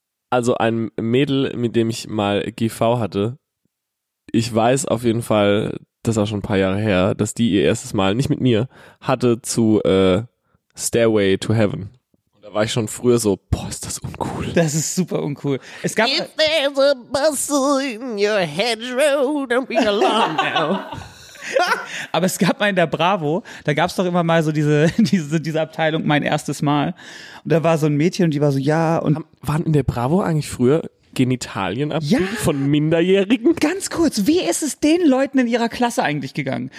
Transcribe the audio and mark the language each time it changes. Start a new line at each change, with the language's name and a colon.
German: Also ein Mädel, mit dem ich mal GV hatte, ich weiß auf jeden Fall, das war schon ein paar Jahre her, dass die ihr erstes Mal, nicht mit mir, hatte zu Stairway to Heaven. Und da war ich schon früher so, boah, ist das uncool. Das ist super uncool. Es gab,
English: if there's a bustle in your hedgerow, don't be alarmed now.
German: Aber es gab mal in der Bravo, da gab es doch immer mal so diese Abteilung, mein erstes Mal. Und da war so ein Mädchen und die war so, ja. Und waren in der Bravo eigentlich früher Genitalien ab, ja, von Minderjährigen? Ganz kurz, wie ist es den Leuten in ihrer Klasse eigentlich gegangen?